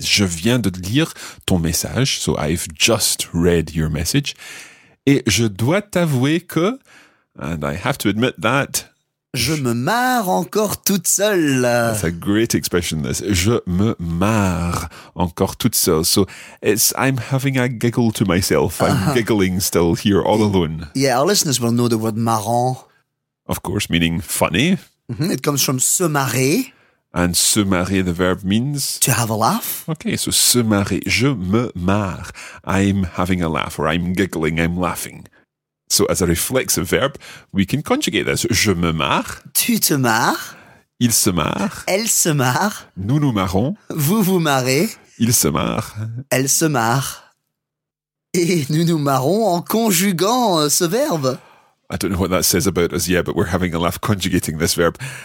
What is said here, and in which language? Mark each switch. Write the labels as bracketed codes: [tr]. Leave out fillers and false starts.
[fr] Je viens de lire ton message. [en] So I've just read your message. [fr] Et je dois t'avouer que... [en] And I have to admit that... [fr] Je me marre encore toute seule. [en] That's a great expression, this. [fr] Je me marre encore toute seule. [en] So it's I'm having a giggle to myself. I'm giggling still here all alone. Yeah, our listeners will know the word marrant. Of course, meaning funny. Mm-hmm. It comes from se marrer. And se marrer, the verb means? To have a laugh. Okay, so [fr] se marrer. Je me marre. [en] I'm having a laugh or I'm giggling, I'm laughing. So as a reflexive verb, we can conjugate this. [fr] Je me marre. Tu te marres. Il se marre. Elle se marre. Nous nous marrons. Vous vous marrez. Il se marre. Elle se marre. Et nous nous marrons en conjuguant ce verbe. [en] I don't know what that says about us, yeah, but we're having a laugh conjugating this verb.